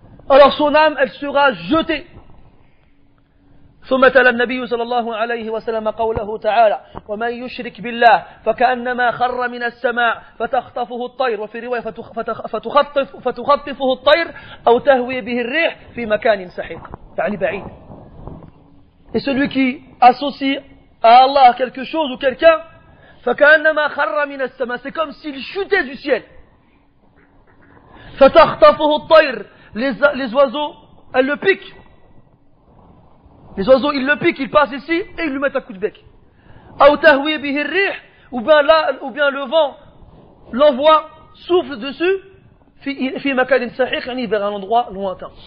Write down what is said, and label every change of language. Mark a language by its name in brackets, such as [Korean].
[French] Alors son âme, elle sera jetée. [Arabic] ثم تلا النبي صلى الله عليه وسلم قوله تعالى ومن يشرك بالله فكأنما خر من السماء فتخطفه الطير وفي رواية فتخطفه الطير أو تهوي به الريح في مكان سحيق يعني بعيد. [French] Et celui qui associe à Allah quelque chose ou quelqu'un, [Arabic] فكأنما خر من السماء, [French] c'est comme s'il chutait du ciel. [Arabic] فتخطفه الطير, [French] les oiseaux, elles le piquent. Les oiseaux, ils le piquent, ils passent ici et ils lui mettent un coup de bec. [Arabic] Aoutahoui bihirrih, [French] ou bien le vent l'envoie, souffle dessus, [Arabic] fi makadin sahih, yani [French] vers un endroit lointain.